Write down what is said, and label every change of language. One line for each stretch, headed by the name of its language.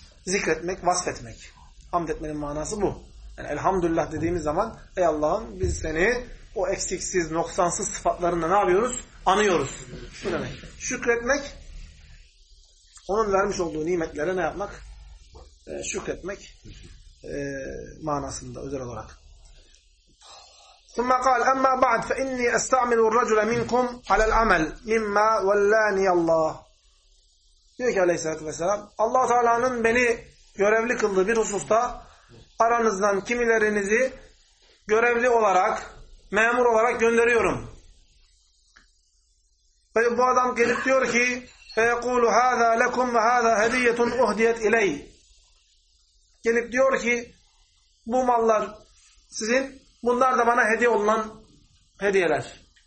Turkish: Zikretmek, vasfetmek. Hamd etmenin manası bu. Yani elhamdülillah dediğimiz zaman, ey Allah'ım biz seni o eksiksiz, noksansız sıfatlarında ne yapıyoruz? Anıyoruz. Bu demek. Şükretmek, onun vermiş olduğu nimetlere ne yapmak? Şükretmek manasında özel olarak.
Arabic: ثم قال أما بعد فإني أستعمل الرجل منكم على العمل مما ولاني الله.
Turkish: Diyor ki Aleyhisselatü Vesselam, Allah-u Teala'nın beni görevli kıldığı bir hususta aranızdan kimilerinizi görevli olarak, memur olarak gönderiyorum. Ve bu adam gelip diyor ki,
Arabic: فَيَقُولُ هَذَا لَكُمْ وَهَذَا هَدِيَّةٌ اُهْدِيَتْ اِلَيْهِ
Turkish: Gelip diyor ki, bu mallar sizin, bunlar da bana hediye olunan hediyeler.